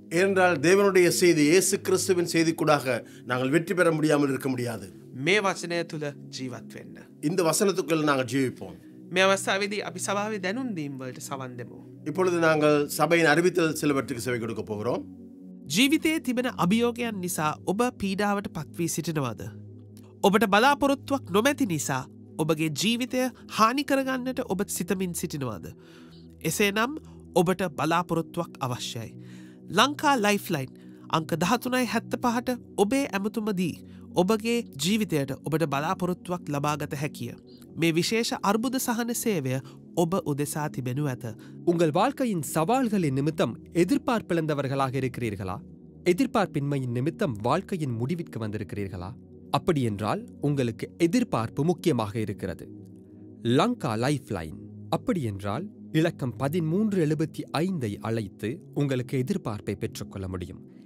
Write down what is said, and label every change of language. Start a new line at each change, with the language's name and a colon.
Tamil: என்றால் தேவனுடைய செய்தி இயேசு கிறிஸ்துவின் செய்தி கூடாக நாங்கள் வெற்றி பெற முடியாமல் இருக்க முடியாது
Sinhala: மே வசனத்துல ஜீவத் வெண்ண
Tamil: இந்த வசனத்துக்குள் நாங்கள் ஜீவிப்போம்
Sinhala: மே அவஸ்தாவேதி அபி சபாவே தனும் தீம் வல்ட சவன் தெமு
Tamil: இப்பொழுது நாங்கள் சபையின் அறிவித்தல் சிலவற்றுக்கு செவி கொடுக்க போகிறோம்
Sinhala: ජීවිතයේ තිබෙන අභියෝගයන් නිසා ඔබ පීඩාවට පත්වී සිටිනවද? ඔබට බලාපොරොත්තුවක් නොමැති නිසා ඔබගේ ජීවිතය හානි කරගන්නට ඔබ සිතමින් සිටිනවද? එසේනම් ඔබට බලාපොරොත්තුවක් අවශ්‍යයි. ලංකා ලයිෆ්ලයින් අංක 1375ට ඔබේ ඇමතුම දී ඔබගේ ජීවිතයට ඔබට බලාපොරොත්තුවක් ලබාගත හැකිය. මේ විශේෂ අර්බුද සහන සේවය ඔබ උදෙසා තිබෙනු ඇත.
Tamil: உங்கள் வாழ்க்கையின் சவால்களின் நிமித்தம் எதிர்பார்ப்பிழந்தவர்களாக இருக்கிறீர்களா? எதிர்பார்ப்பின்மையின் நிமித்தம் வாழ்க்கையின் முடிவிற்கு வந்திருக்கிறீர்களா? அப்படியென்றால் உங்களுக்கு எதிர்பார்ப்பு முக்கியமாக இருக்கிறது. Lanka life line. அப்படியென்றால் இலக்கம் 1375 ஐ அழைத்து உங்களுக்கு எதிர்பார்ப்பை பெற்றுக்கொள்ள முடியும்.